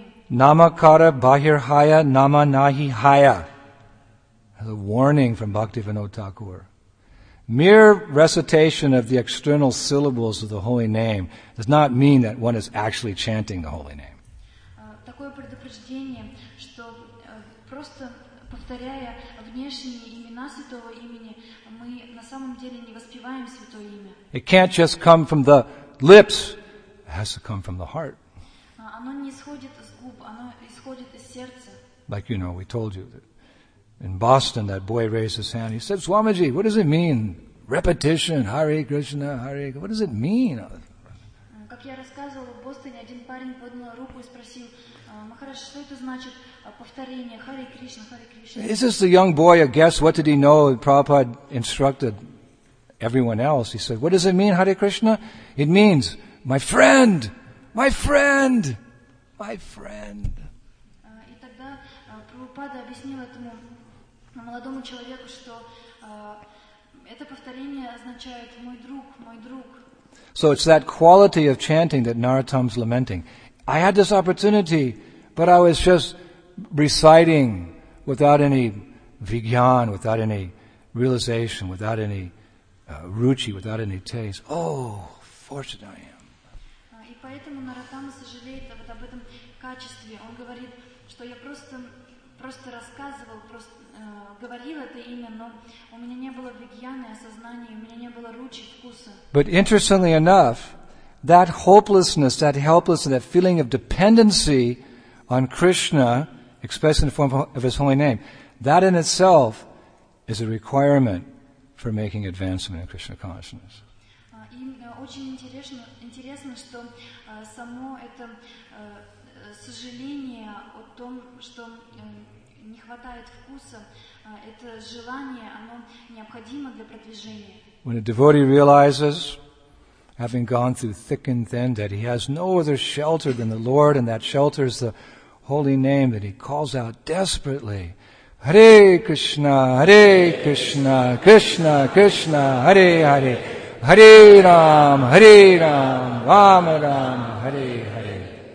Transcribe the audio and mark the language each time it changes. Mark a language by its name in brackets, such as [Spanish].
[Bangla] Namakara Bahirhaya Nama Nahi Haya. [English] The warning from Bhaktivinoda Thakur. Mere recitation of the external syllables of the holy name does not mean that one is actually chanting the holy name. [Russian] Такое предупреждение, что просто повторяя внешние имена святого имени, мы на самом деле не воспеваем святое имя. [English] It can't just come from the lips. It has to come from the heart. [Russian] Оно не исходит из губ, оно исходит из сердца. [English] Like, you know, we told you that in Boston, that boy raised his hand. He said, Swamiji, what does it mean? Repetition, Hare Krishna, Hare Krishna. What does it mean? [Russian] Как я рассказывала, в Бостоне один парень поднял руку и спросил, Махарадж, что это значит? Повторение, Hare Krishna, Hare Krishna. [English] Is this the young boy a guess? What did he know? Prabhupada instructed everyone else. He said, what does it mean, Hare Krishna? It means, my friend, my friend, my friend. Прабхупада объяснил этому молодому человеку, что это повторение означает «мой друг, мой друг». So it's that quality of chanting that Narottam's lamenting. I had this opportunity, but I was just reciting without any vigyan, without any realization, without any ruchi, without any taste. Oh, fortunate I am. [Russian] И поэтому Нарадам сожалеет вот об этом качестве. Он говорит, что я просто рассказывал, говорил это имя, но у меня не было вигьяны, осознания, у меня не было ручи, вкуса. [English] But interestingly enough, that hopelessness, that helplessness, that feeling of dependency on Krishna, expressed in the form of His holy name, that in itself is a requirement for making advancement in Krishna consciousness. [Russian] И очень интересно, что само это сожаление о том, что не хватает вкуса, это желание, оно необходимо для продвижения. [English] When a devotee realizes, having gone through thick and thin, that he has no other shelter than the Lord, and that shelter is the holy name, that he calls out desperately, Hare Krishna, Hare Krishna, Krishna Krishna, Hare Hare, Hare Ram, Hare Ram, Ram Ram, Hare Hare.